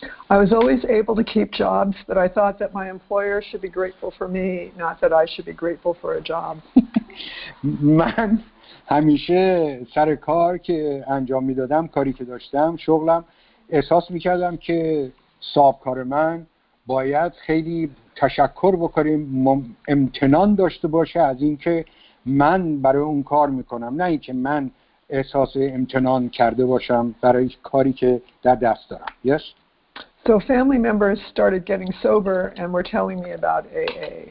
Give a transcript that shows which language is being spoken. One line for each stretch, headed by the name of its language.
English: I was always able to keep jobs but I thought that my employer should be grateful for me not that I should be grateful for a job
Persian: من همیشه سر کار که انجام میدادم کاری که داشتم شغلم احساس میکردم که صاحبکار من باید خیلی تشکر بکنیم امتنان داشته باشه از اینکه من برای اون کار میکنم نه اینکه من احساس امتنان کرده باشم برای کاری که در دست دارم yes?
English: So family members started getting sober and were telling me about AA.